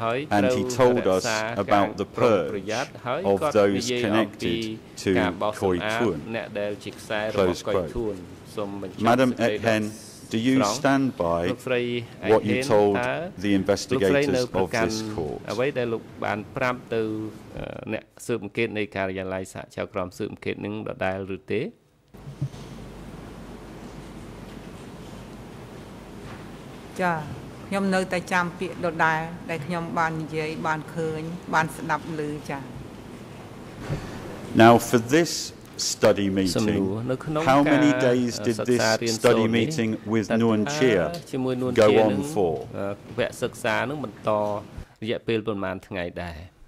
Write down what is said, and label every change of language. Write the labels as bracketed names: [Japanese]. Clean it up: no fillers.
[English] And he told us about the purge of those connected to Khoi Tuan. Close quote. Madam Ek Hen, do you stand by what you told the investigators of this court? [Khmer] អ្នកស៊ើបអង្កេតនៃការិយាល័យសហជីវកម្មស៊ើបអង្កេតនឹងដដែលឬទេចាខ្ញុំនៅតែចាំពាក្យដដែលដែលខ្ញុំបាននិយាយបានឃើញបានស្ដាប់ឮចា [English] Now for this study meeting, how many days did this study meeting with Nguyen Chia go on for? [Khmer] វគ្គសិក្សានឹងបន្តរយៈពេលប្រហែលថ្ងៃដែរ